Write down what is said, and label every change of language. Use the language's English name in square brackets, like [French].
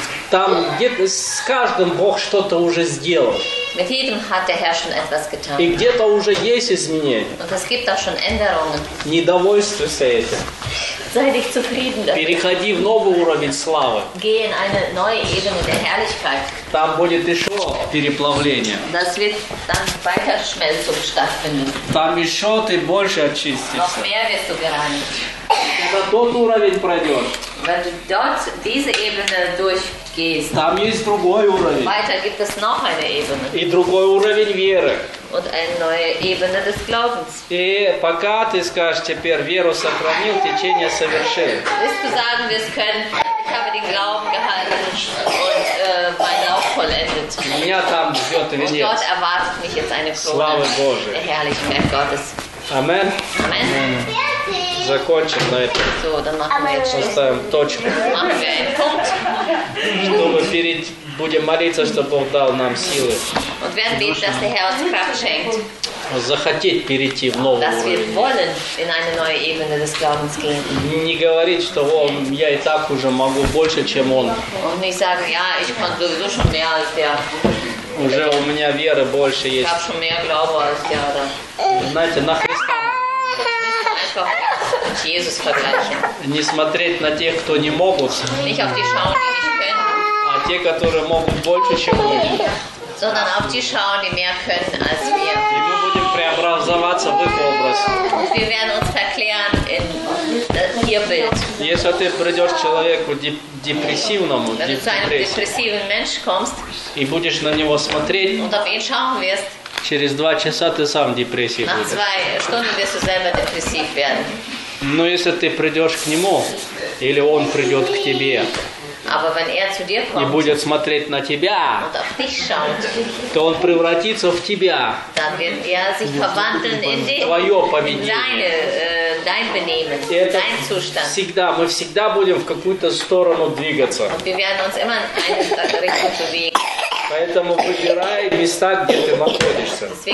[Russian] Там где-то с каждым Бог что-то уже сделал. [German] Mit jedem hat der Herr schon etwas getan. [Russian] И где-то уже есть изменения. [German] Und es gibt auch schon Änderungen. [Russian] Не довольствуйся этим. [German] Sei nicht zufrieden damit. [Russian] Переходи в новый уровень славы. [German] Geh in eine neue Ebene der Herrlichkeit. [Russian] Там будет еще переплавление. [German] Das wird dann weiter Schmelzung stattfinden. [Russian] Там еще ты больше очистишься. [German] Noch mehr wirst du gereinigt. [Russian] Когда тот уровень пройдет. [German] Wenn du dort diese Ebene durchgehst. [Russian] Там есть другой уровень. [German] Weiter gibt es noch eine Ebene. [Russian] И другой уровень веры. [German] Und eine neue Ebene des Glaubens. [Russian] И пока ты скажешь теперь, веру сохранил, течение совершил. [German] Wirst du sagen, wir können, ich habe den Glauben gehalten und mein Lauf vollendet. [Russian] Меня там ждет венец. [German] Und dort erwartet mich jetzt eine Krone der Herrlichkeit Gottes. Amen. Amen. Amen. [Russian] Закончим на этом. [German] So, dann machen wir jetzt. [Russian] Поставим точку. [German] Machen wir einen Punkt. [Russian] Чтобы перед... Будем молиться, чтобы Бог дал нам силы. [German] Und wir beten, dass der Herr uns Kraft schenkt. [Russian] Захотеть перейти в новый [German] dass [Russian] уровень. [German] Dass wir wollen in eine neue Ebene des Glaubens gehen. [Russian] Не говорить, что он, я и так уже могу больше, чем он. [German] Und nicht sagen, ja, ich kann sowieso schon mehr als der. [Russian] Уже у меня веры больше есть. [German] Ich habe schon mehr Glaube als der. [Russian] Да. Знаете, на Христа. [German] Mit Jesus vergleichen. [Russian] Не смотреть на тех, кто не могут. [German] Nicht auf die schauen, die nicht können. [Russian] А те, которые могут больше, чем мы. [German] Sondern auf die schauen, die mehr können als wir. Und wir werden uns verklären in ihr Bild. [Russian] Если ты придешь человеку депрессивному, [German] wenn du zu einem depressiven Mensch kommst, [Russian] и будешь на него смотреть, [German] und auf ihn schauen wirst, [Russian] через два часа ты сам депрессив будешь. [German] Nach zwei Stunden wirst du selber depressiv werden. [Russian] Но если ты придешь к нему, или он придет к тебе, [German] aber wenn er zu dir kommt, [Russian] и будет смотреть на тебя, [German] und auf dich schaut, [Russian] то он превратится в тебя, [German] dann wird er sich verwandeln in dich, [Russian] твое поведение, [German] in dein Benehmen, dein Zustand. [Russian] Всегда, мы всегда будем в какую-то сторону двигаться. [German] Und wir werden uns immer in eine Richtung bewegen. [Russian] Поэтому выбирай места, где ты находишься.